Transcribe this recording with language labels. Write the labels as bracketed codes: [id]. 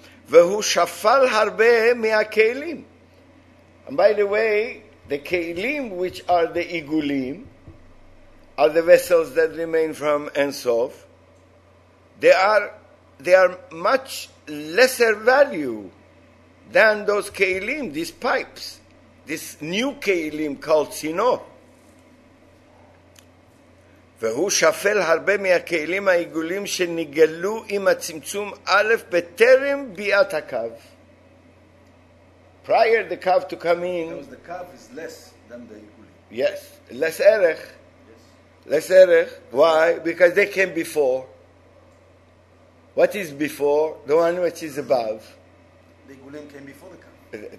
[he] Vehu shafal harbe mi'akeilim. [en] And by the way, the keilim, which are the igulim, are the vessels that remain from Ein Sof, they are much lesser value than those keilim, these pipes, this new keilim called Tzinor. [he] והוא שפל הרבה מהכלים העיגולים שנגלו עם הצמצום א' בטרם ביאת הקו. [en] Prior the קו to come in, because the קו is less than the עיגולים. Yes, less ערך. Less ערך. Why? Because they came before. What is before? The one which is above. The עיגולים came before the קו.